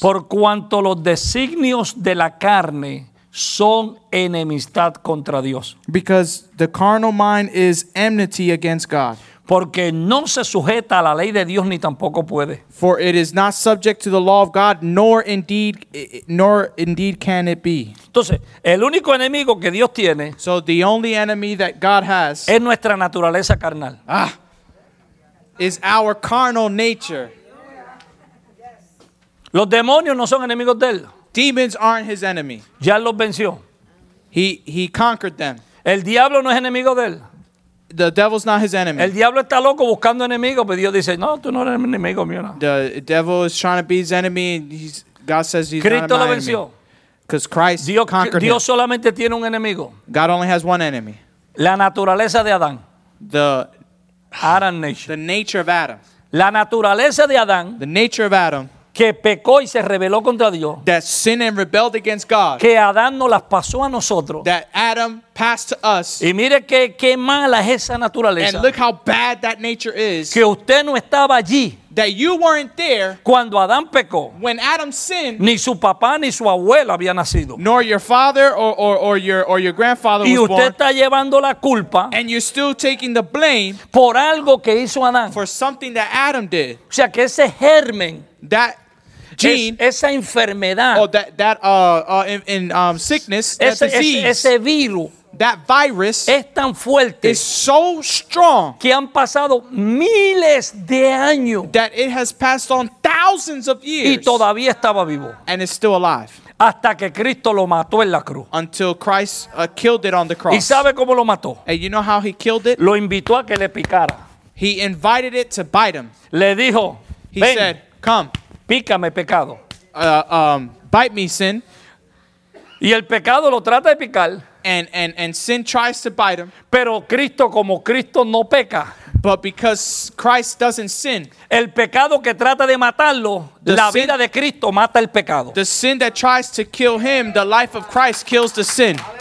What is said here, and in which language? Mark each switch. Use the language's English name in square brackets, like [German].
[Spanish] Por cuanto los designios de la carne son enemistad contra Dios. [English] Because the carnal mind is enmity against God. [Spanish] Porque no se sujeta a la ley de Dios ni tampoco puede. [English] For it is not subject to the law of God, nor indeed can it be. [Spanish] Entonces, el único enemigo que Dios tiene. [English] So the only enemy that God has. [Spanish] Es nuestra naturaleza carnal. [English] Ah. Is our carnal nature. [Spanish] Los demonios no son enemigos de él. [English] Demons aren't his enemy. [Spanish] Ya los venció. [English] He conquered them. [Spanish] El diablo no es enemigo de él. [English] The devil's not his enemy. [Spanish] El diablo está loco buscando enemigo, pero Dios dice, no, tú no eres mi enemigo mío. [English] The devil is trying to be his enemy, and God says he's [Spanish] Cristo [English] not my enemy. Because Christ [Spanish] Dios, [English] conquered [Spanish] Dios [English] him. [Spanish] Solamente tiene un enemigo. [English] God only has one enemy. [Spanish] La naturaleza de Adán. [English] The Adam nation. The nature of Adam. [Spanish] La naturaleza de Adán. [English] The nature of Adam. [Spanish] Que pecó y se rebeló contra Dios. [English] That sinned and rebelled against God. [Spanish] Que Adán nos las pasó a nosotros. [English] That Adam passed to us. [Spanish] Y mire qué mala es esa naturaleza. [English] And look how bad that nature is. [Spanish] Que usted no estaba allí. [English] That you weren't there. [Spanish] Cuando Adán pecó. [English] When Adam sinned. [Spanish] Ni su papá ni su abuelo había nacido. [English] Nor your father or your grandfather was born. [Spanish] Y usted está llevando la culpa. [English] And you're still taking the blame. [Spanish] Por algo que hizo Adán. [English] For something that Adam did. [Spanish] O sea que ese germen. [English] That gene, [Spanish] esa enfermedad, [English] or that sickness, [Spanish] ese, [English] that disease, [Spanish] ese virus, [English] that virus, [Spanish] es tan fuerte, [English] is so strong, [Spanish] que han pasado miles de años, [English] that it has passed on thousands of years, [Spanish] y todavía estaba vivo, [English] and is still alive, [Spanish] hasta que Cristo lo mató en la cruz, [English] until Christ killed it on the cross. [Spanish] ¿Y sabe cómo lo mató? [English] And you know how he killed it? [Spanish] Lo invitó a que le picara. [English] He invited it to bite him. [Spanish] Le dijo, [English] he [Spanish] ven. [English] Said, come. [Spanish] Pícame, pecado. [English] Bite me, sin. [Spanish] Y el pecado lo trata de picar. [English] And sin tries to bite him. [Spanish] Pero Cristo, como Cristo no peca. [English] But because Christ doesn't sin. [Spanish] El pecado que trata de matarlo, la vida de Cristo mata el pecado. [English] The sin that tries to kill him, the life of Christ kills the sin.